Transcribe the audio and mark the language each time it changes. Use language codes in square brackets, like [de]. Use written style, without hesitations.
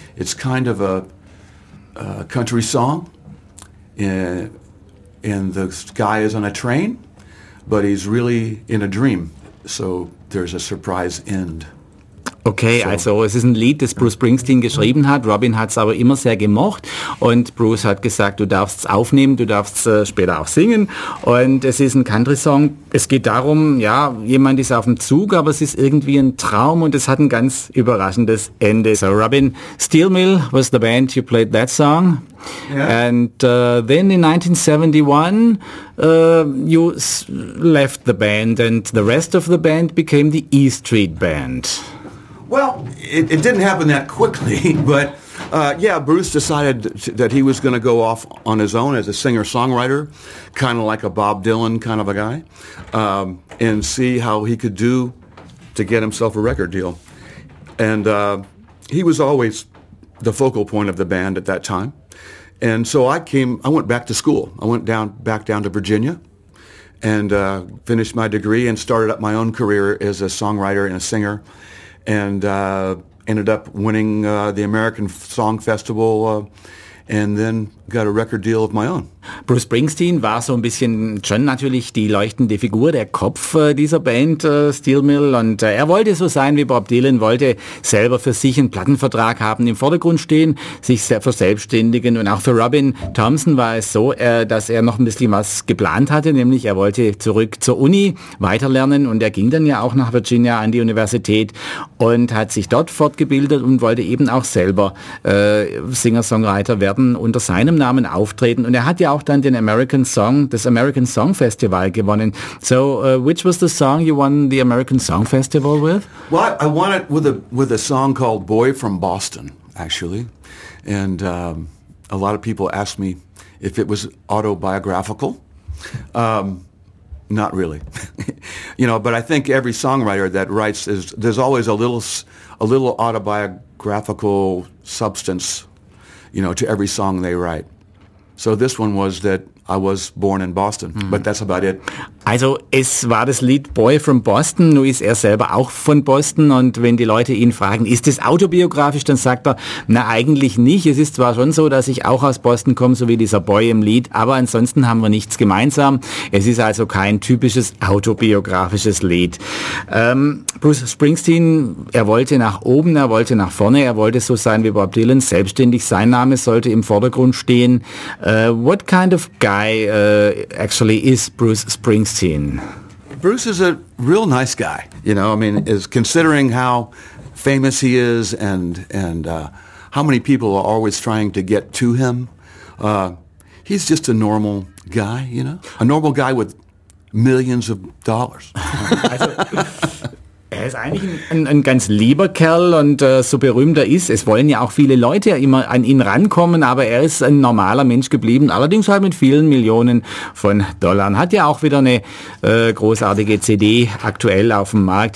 [en] It's kind of a country song, and the guy is on a train, but he's really in a dream, so there's a surprise end. [de] Okay, also es ist ein Lied, das Bruce Springsteen geschrieben hat. Robin hat es aber immer sehr gemocht und Bruce hat gesagt, du darfst es aufnehmen, du darfst es später auch singen. Und es ist ein Country-Song. Es geht darum, ja, jemand ist auf dem Zug, aber es ist irgendwie ein Traum und es hat ein ganz überraschendes Ende. [en] So Robin, Steel Mill was the band, you played that song. Yeah. And then in 1971, you left the band and the rest of the band became the E Street Band. Well, it didn't happen that quickly, but Bruce decided that he was going to go off on his own as a singer-songwriter, kind of like a Bob Dylan kind of a guy, and see how he could do to get himself a record deal. And he was always the focal point of the band at that time. And so I went back to school. I went back down to Virginia and finished my degree and started up my own career as a songwriter and a singer. And ended up winning the American Song Festival and then got a record deal of my own. [de] Bruce Springsteen war so ein bisschen schon natürlich die leuchtende Figur, der Kopf dieser Band Steel Mill. Und er wollte so sein wie Bob Dylan, wollte selber für sich einen Plattenvertrag haben, im Vordergrund stehen, sich verselbstständigen. Und auch für Robin Thompson war es so, dass er noch ein bisschen was geplant hatte, nämlich er wollte zurück zur Uni weiterlernen. Und er ging dann ja auch nach Virginia an die Universität und hat sich dort fortgebildet und wollte eben auch selber Singer-Songwriter werden, unter seinem Namen auftreten. Und er hat ja auch dann den American Song Festival gewonnen. [en] So which was the song you won the American Song Festival with? Well, I won it with a song called Boy from Boston, actually. And a lot of people asked me if it was autobiographical. Not really. You know, but I think every songwriter that writes, is there's always a little autobiographical substance, you know, to every song they write. So this one was that I was born in Boston, but that's about it. [de] Also es war das Lied Boy from Boston, nun ist er selber auch von Boston und wenn die Leute ihn fragen, ist es autobiografisch, dann sagt er, na eigentlich nicht, es ist zwar schon so, dass ich auch aus Boston komme, so wie dieser Boy im Lied, aber ansonsten haben wir nichts gemeinsam, es ist also kein typisches autobiografisches Lied. Bruce Springsteen, er wollte nach oben, er wollte nach vorne, er wollte so sein wie Bob Dylan, selbstständig, sein Name sollte im Vordergrund stehen. [en] What kind of guy actually is Bruce Springsteen? Bruce is a real nice guy, you know. I mean, is considering how famous he is and how many people are always trying to get to him. He's just a normal guy, you know, a normal guy with millions of dollars. [de] Er ist eigentlich ein ganz lieber Kerl und so berühmt er ist, es wollen ja auch viele Leute immer an ihn rankommen, aber er ist ein normaler Mensch geblieben, allerdings halt mit vielen Millionen von Dollar. Hat ja auch wieder eine großartige CD aktuell auf dem Markt.